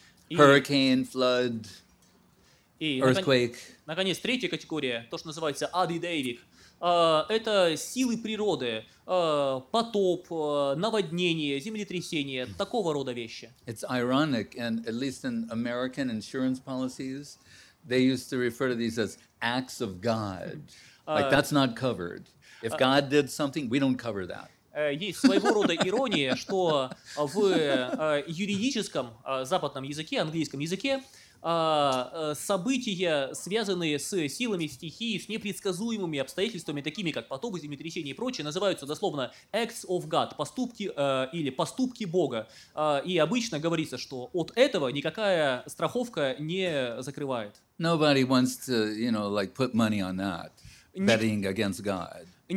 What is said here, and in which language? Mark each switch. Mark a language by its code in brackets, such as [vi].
[en] Hurricane, flood, earthquake. [ru] Наконец, третья категория, то, что называется адидевик, это силы природы, потоп, наводнение, землетрясение, такого рода вещи. [en] It's ironic, and at least in American insurance policies, they used to refer to these as acts of God. Like, that's not covered. If God did something, we don't cover that. [ru] Есть своего рода ирония, что в юридическом западном языке, английском языке, события, связанные с силами стихии, с непредсказуемыми обстоятельствами, такими как потопы, землетрясения и прочее, называются дословно [en] acts of God, [ru] поступки или поступки Бога. И обычно говорится, что от этого никакая страховка не закрывает. [en] Nobody wants to, you know, like put money on that, betting against God.